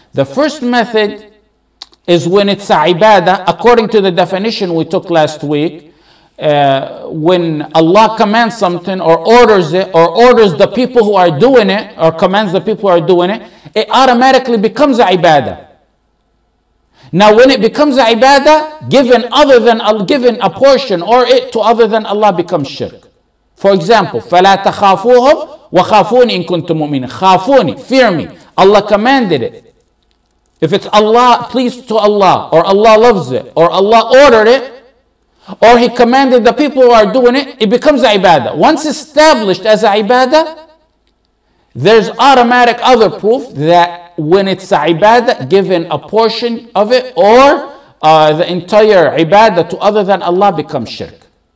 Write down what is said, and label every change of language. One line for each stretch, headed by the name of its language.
English: The first method is when it's a ibadah, according to the definition we took last week, when Allah commands something or orders it, or orders the people who are doing it, or commands the people who are doing it, it automatically becomes a ibadah. Now when it becomes a ibadah, given a portion or it to other than Allah becomes shirk. For example,
Arabic: فَلَا تَخَافُوهُمْ وَخَافُونِ إِن كُنْتُمْ مُؤْمِنِينَ. خَافُونِ,
English: fear me, Allah commanded it. If it's Allah pleased to Allah, or Allah loves it, or Allah ordered it, or He commanded the people who are doing it, it becomes ibadah. Once established as ibadah, there's automatic other proof that when it's ibadah, given a portion of it, or the entire ibadah to other than Allah becomes shirk.